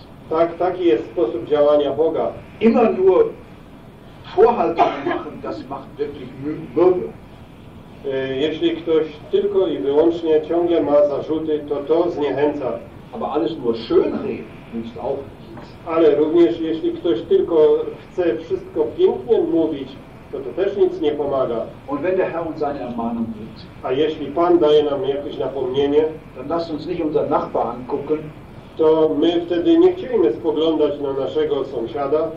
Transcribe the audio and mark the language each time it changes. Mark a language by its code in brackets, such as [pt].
[pl] Tak, taki jest sposób działania Boga. [de] Immer nur Vorhaltungen machen, das macht wirklich Mürbe. [pl] Jeśli ktoś tylko i wyłącznie ciągle ma zarzuty, to zniechęca. [de] Aber alles nur schönreden nützt auch nichts. [pl] Ale również jeśli ktoś tylko chce wszystko pięknie mówić, to też nic nie pomaga. [de] Und wenn der Herr uns eine Ermahnung gibt, [pl] a jeśli Pan daje nam jakieś napomnienie, [de] dann lass uns nicht unseren Nachbarn angucken, [pl] to my wtedy nie chcielibyśmy spoglądać na naszego sąsiada